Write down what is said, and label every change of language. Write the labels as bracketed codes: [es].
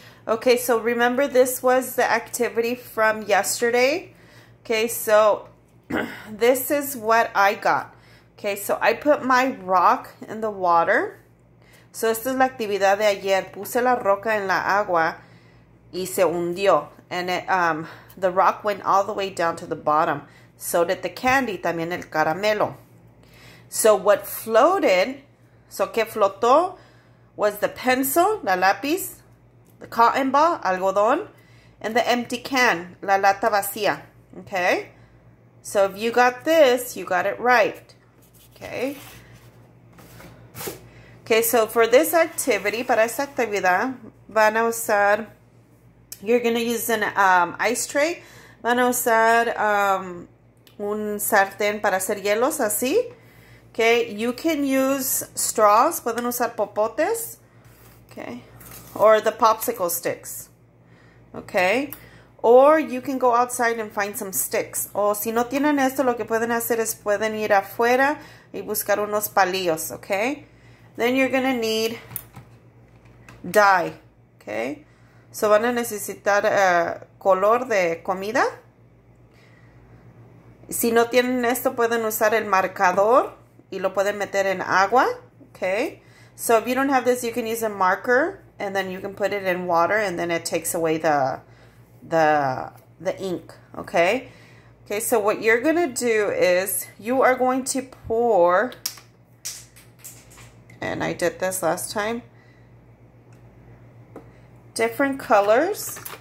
[en] Okay, so remember this was the activity from yesterday. Okay, so this is what I got. Okay, so I put my rock in the water. [es] So esta es la actividad de ayer. Puse la roca en la agua y se hundió. [en] And it, the rock went all the way down to the bottom. So did the candy, [es] también el caramelo. [en] So what floated, so [es] que flotó, [en] was the pencil, [es] la lápiz, [en] the cotton ball, algodón, and the empty can, [es] la lata vacía. [en] Okay? So if you got this, you got it right. Okay? Okay, so for this activity, [es] para esta actividad, van a usar, [en] you're going to use an ice tray. [es] Van a usar un sartén para hacer hielos, así. [en] Okay, you can use straws. [es] Pueden usar popotes. [en] Okay, or the popsicle sticks. Okay, or you can go outside and find some sticks. [es] O si no tienen esto, lo que pueden hacer es pueden ir afuera y buscar unos palillos. [en] Okay, then you're going to need dye. [es] Okay, so van a necesitar color de comida. Si no tienen esto, pueden usar el marcador y lo pueden meter en agua. [en] Okay. So if you don't have this, you can use a marker and then you can put it in water and then it takes away the ink. Okay. Okay. So what you're going to do is you are going to pour, and I did this last time, different colors.